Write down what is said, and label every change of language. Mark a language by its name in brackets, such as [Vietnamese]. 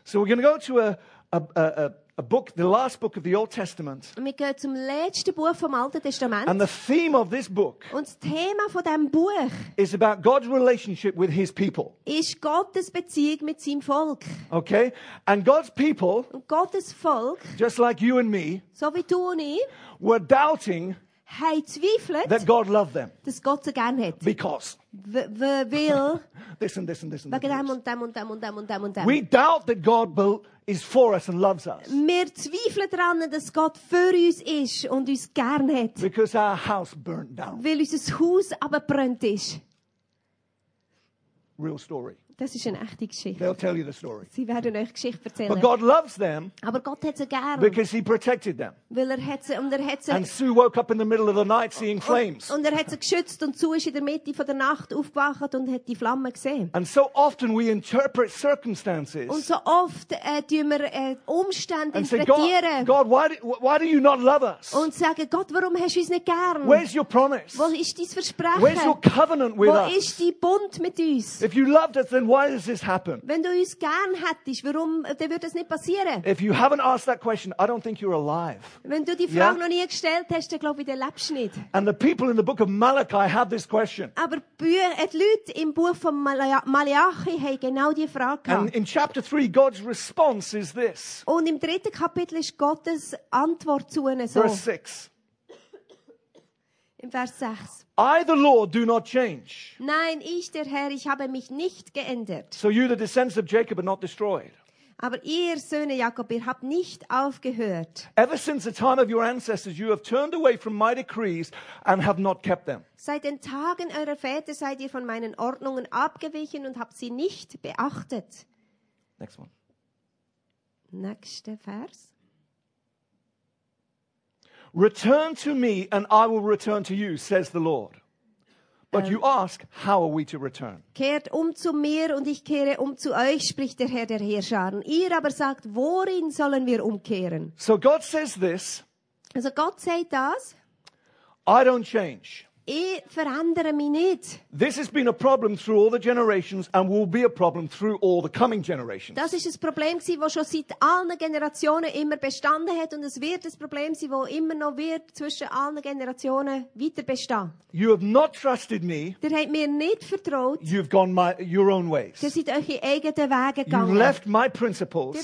[English] So we're going to go to a book, the last book of the Old Testament. [German] Wir gehen zum letzten Buch vom Alten Testament. [English] And the theme of this book, [German] und das Thema von diesem Buch, [English] is about God's relationship with his people. [German] Ist Gottes Beziehung mit seinem Volk. [English] Okay? And God's people, [German] und Gottes Volk, [English] just like you and me, [German] so wie du und ich, [English] were doubting, [German] haben zweifelt, [English] that God loved them. [German] Dass Gott sie gern hat. [English] Because. Will. This and this. We doubt that God is for us and loves us. [German] Wir zweifeln daran, dass Gott für uns ist und uns gern hat. [English] Because our house burnt down. [German] Weil unser Haus abgebrannt ist. [English] Real story. [German] Das ist eine echte Geschichte. [English] They'll tell you the story. [German] Sie werden euch Geschichte erzählen. [English] But God loves them. [German] Aber Gott hat sie gern. [English] Because he protected them. [German] Weil er hat sie, und er hat sie. [English] And Sue woke up in the middle of the night seeing flames. [German] Und er hat sie geschützt und Sue ist in der Mitte von der Nacht aufgewacht und hat die Flammen gesehen. [English] And so often we interpret circumstances. [German] Und so oft tun wir Umstände interpretieren. [English] God, why do you not love us? [German] Und sagen, Gott, warum hast du uns nicht gern? [English] Where's your promise? [German] Wo ist dein Versprechen? [English] Where's your covenant with us? [German] Wo ist dein Bund mit uns? [English] If you loved us, then why does this happen? [German] Wenn du uns gern hättest, warum, dann würde das nicht passieren. [English] If you haven't asked that question, I don't think you're alive. [German] Wenn du die Frage noch nie gestellt hast, dann glaube ich, dann lebst du nicht. [English] And the people in the book of Malachi have this question. [German] Aber die Leute im Buch von Malachi haben genau diese Frage. [English] And in chapter 3, God's response is this. [German] Und im dritten Kapitel ist Gottes Antwort zu ihnen so. [English] Verse 6. [German] In Vers 6. [English] I, the Lord, do not change. [German] Nein, ich, der Herr, ich habe mich nicht geändert. [English] So you, the descendants of Jacob, are not destroyed. [German] Aber ihr, Söhne Jakob, ihr habt nicht aufgehört. [English] Ever since the time of your ancestors, you have turned away from my decrees and have not kept them. [German] Seit den Tagen eurer Väter seid ihr von meinen Ordnungen abgewichen und habt sie nicht beachtet. [English] Next one. [German] Nächster Vers. [English] Return to me and I will return to you, says the Lord. But you ask, how are we to return? [German] Kehrt zu mir und ich kehre zu euch, spricht der Herr der Heerscharen. Ihr aber sagt, worin sollen wir umkehren? [English] So God says this. [German] Also Gott sagt das. [English] I don't change. [German] Ich verändere mich nicht. [English] This has been a problem through all the generations and will be a problem through all the coming generations. [German] Das ist ein Problem gewesen, das schon seit allen Generationen immer bestanden hat und es wird ein Problem sein, das immer noch wird zwischen allen Generationen weiter bestehen. [English] You have not trusted me. [German] Ihr habt mir nicht vertraut. [English] You've gone your own ways. [German] Ihr seid eure eigenen Wege gegangen. [English] You've left my principles.